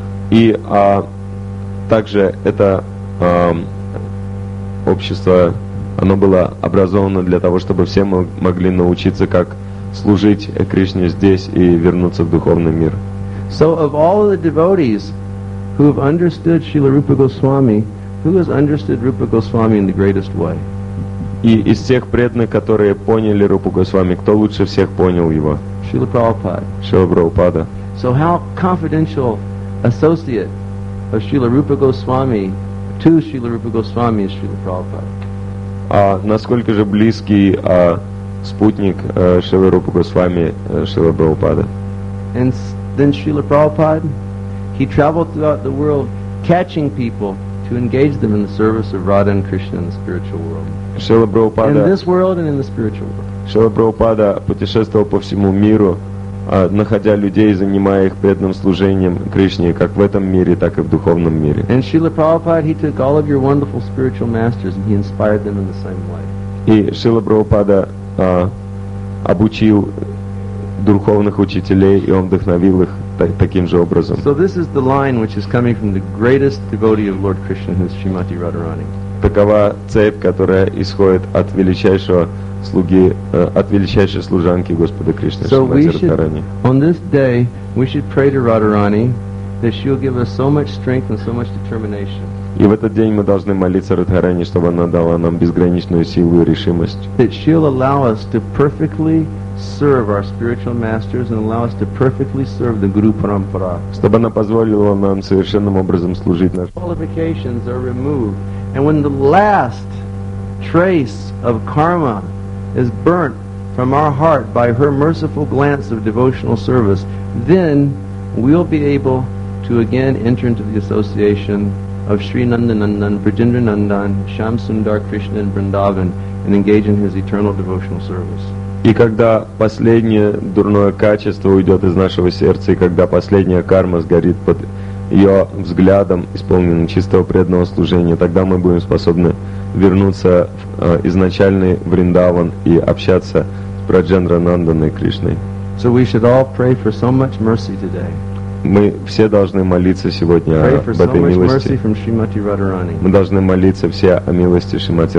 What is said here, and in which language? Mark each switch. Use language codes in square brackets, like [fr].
[ru] И также это общество, оно было образовано для того, чтобы все мы могли научиться, как служить Кришне здесь и вернуться в духовный мир. [en] So of all of the devotees who have understood Srila Rupa Goswami, who has understood Rupa Goswami in the greatest way? [ru] И из тех преданных, которые поняли Рупу Госвами, кто лучше всех понял его? [en] Srila Prabhupada. Srila Prabhupada. So how confidential associate of Srila Rupa Goswami to Srila Rupa Goswami is Srila Prabhupada. [ru] Насколько же близкий спутник Srila Rupa Goswami Srila Prabhupada. [en] And then Srila Prabhupada, he traveled throughout the world catching people to engage them in the service of Radha and Krishna in the spiritual world. Srila Prabhupada, in this world and in the spiritual world. [ru] Srila Prabhupada путешествовал по всему миру, находя людей, занимая их преданным служением Кришне, как в этом мире, так и в духовном мире. [en] And Srila Prabhupada, he took all of your wonderful spiritual masters and he inspired them in the same way. [ru] И Шрила Прабхупада обучил духовных учителей, и он вдохновил их таким же образом. [en] So this is the line which is coming from the greatest devotee of Lord Krishna, who is Shrimati Radharani. [ru] Такова цепь, которая исходит от величайшего слуги, от величайшей служанки Господа Кришны, Шримати Радхарани. [en] On this day, we should pray to Radharani that she will give us so much strength and so much determination. [ru] И в этот день мы должны молиться Радхарани, чтобы она дала нам безграничную силу и решимость. [en] That she'll allow us to perfectly serve our spiritual masters and allow us to perfectly serve the Guru Parampara. [ru] Чтобы она позволила нам совершенным образом служить нашим. [en] Qualifications are removed, and when the last trace of karma is burnt from our heart by her merciful glance of devotional service, then we'll be able to again enter into the association of Sri Nandanandan, Brijendra Nandan, Shyam Sundar Krishna in Vrindavan and engage in his eternal devotional service. [ru] И когда последнее дурное качество уйдет из нашего сердца, и когда последняя карма сгорит под ее взглядом, исполненным чистого преданного служения, тогда мы будем способны вернуться в изначальный Вриндаван и общаться с Браджендра Нанданой Кришной. [en] So we should all pray for so much mercy today. [ru] Мы все должны молиться сегодня об этой милости. Мы должны молиться все о милости Шримати